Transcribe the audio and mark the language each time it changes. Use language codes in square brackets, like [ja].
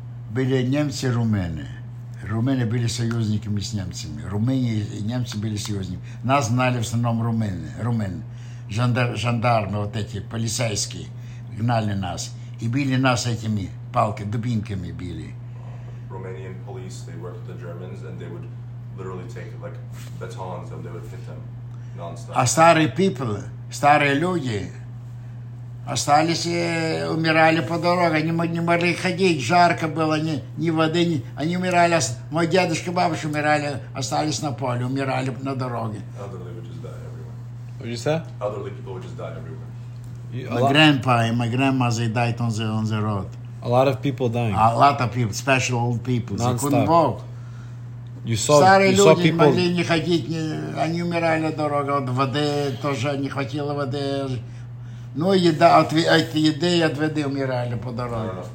[ru] Были немцы и румыны. Румыны были союзниками с немцами. Румыны и немцы были союзниками. Нас знали в основном румыны. Жандармы, вот эти, полицейские, гнали нас. И били нас этими палками, дубинками били. [en] Romanian police, they worked with the Germans and they would... Literally take like batons and they would hit them nonstop. [ru] А старые [en] people, [ru] старые люди, остались умирали по дороге, они не могли ходить, жарко было, ни воды, ни, они умирали, мой дедушка, бабушка умирали, остались на поле, умирали на дороге. [en] Elderly people would just die everywhere. What did you say? Elderly people would just die everywhere. My grandpa and my grandma, they died on the road. A lot of people dying. A lot of people, especially old people. Non-stop. They couldn't walk. You saw [ru] люди [en] people... [ru] Старые люди могли не ходить, не, они умирали на дороге, от воды тоже не хватило воды. Ну, еда, от еды и от воды умирали по дороге.